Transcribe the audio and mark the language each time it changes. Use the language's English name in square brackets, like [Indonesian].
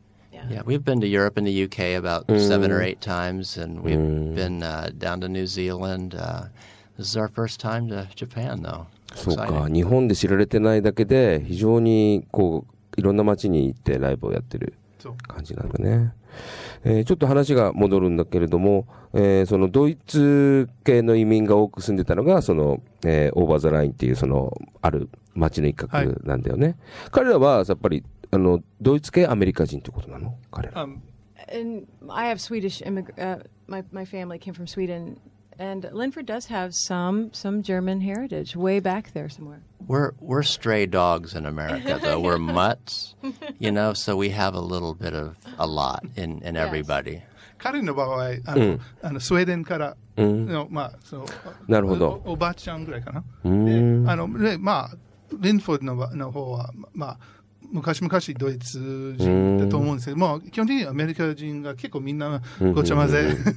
[English] Yeah, we've been to Europe and the U.K. about seven or eight times, and we've been down to New Zealand. This is our first time to Japan, though. [Japanese] そうか、日本で知られてないだけで非常にこういろんな街に行ってライブをやってる感じなのね。ちょっと話が戻るんだけれども、そのドイツ系の移民が多く住んでたのがその、オーバーザラインっていうそのある町の一角なんだよね、はい、彼らはやっぱりあのドイツ系アメリカ人ってことなの彼ら。 [English] And I have Swedish my family came from Sweden, and Linford does have some German heritage way back there somewhere. We're stray dogs in America, though. Yeah. We're mutts, you know, so we have a little bit of a lot in yes. everybody. [Japanese] 彼の場合、あのスウェーデンからの、まあ、そう、なるほど。おばあちゃんぐらいかな。うん。あの、で、まあ、リンフォードの方は、まあ、昔ドイツ人だと思うんですけど、まあ、基本的にアメリカ人が結構みんなごちゃ混ぜ。